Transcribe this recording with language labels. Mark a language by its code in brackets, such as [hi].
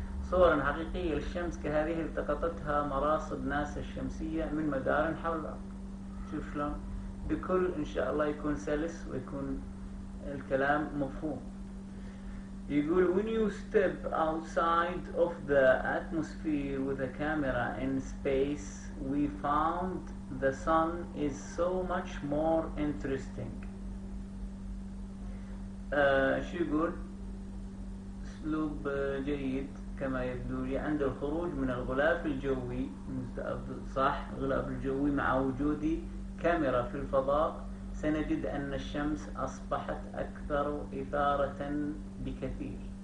[ar] صورا حقيقية للشمس كهذه التقطتها مراصد ناسا الشمسية من مدار حول الأرض. شوف شلون بكل إن شاء الله يكون سلس ويكون الكلام مفهوم. يقول [en] when you step outside of the atmosphere with a camera in space we found the sun is so much more interesting. [ar] شو يقول؟ أسلوب جيد كما يبدو لي، عند الخروج من الغلاف الجوي، صح الغلاف الجوي، مع وجود كاميرا في الفضاء سنجد أن الشمس أصبحت أكثر إثارة بكثير.